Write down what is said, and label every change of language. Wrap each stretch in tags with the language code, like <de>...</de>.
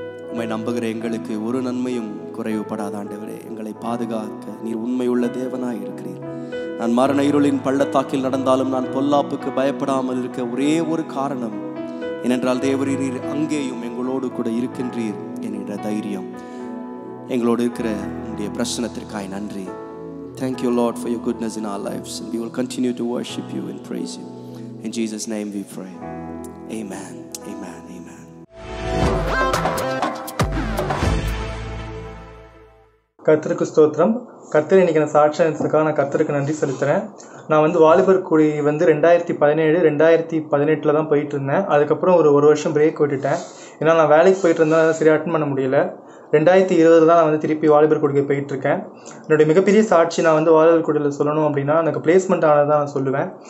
<ta>உண்மை நம்புகிற எங்களுக்கு ஒரு நன்மையும் குறைவுபடாத ஆண்டவரே, எங்களை பாதுகாக்க நீர் உண்மையுள்ள தேவனாக இருக்கிறீர். நான் மரண இருளின் பள்ளத்தாக்கில் நடந்தாலும் நான் பொல்லாப்புக்கு பயப்படாமல் இருக்க ஒரே ஒரு காரணம் ஏனென்றால் தேவரீர் நீர் அங்கேயும் எங்களோடு கூட இருக்கின்றீர் என்கிற தைரியம். எங்களோடு இருக்கிற உங்களுடைய பிரசன்னத்திற்காய் நன்றி.</ta> <en>Thank you Lord for your goodness in our lives. We will continue to worship you and praise you. In Jesus' name we pray. Amen. Amen. Amen.</en> <ta>கர்த்தருக்கு ஸ்தோத்திரம். கர்த்தர் இன்னைக்கு நான் சாட்சியத்துக்காக நான் கர்த்தருக்கு நன்றி செலுத்துறேன். நான் வந்து வாலிபர் கூடி வந்து 2017 தான் போயிட்டு இருந்தேன். அதுக்கப்புறம் ஒரு வருஷம் பிரேக் விட்டுட்டேன். ஏன்னா நான் வேலைக்கு போயிட்டு இருந்தா சரி அட்டன் பண்ண முடியல. 2020 தான் நான் வந்து திருப்பி வாலிபர் கூடிக்கு போயிட்டு இருக்கேன். என்னுடைய மிகப்பெரிய சாட்சி நான் வந்து வாலிபர் கூடியில் சொல்லணும் அப்படின்னா எனக்கு பிளேஸ்மெண்ட் ஆனது தான் நான் சொல்லுவேன்.</ta>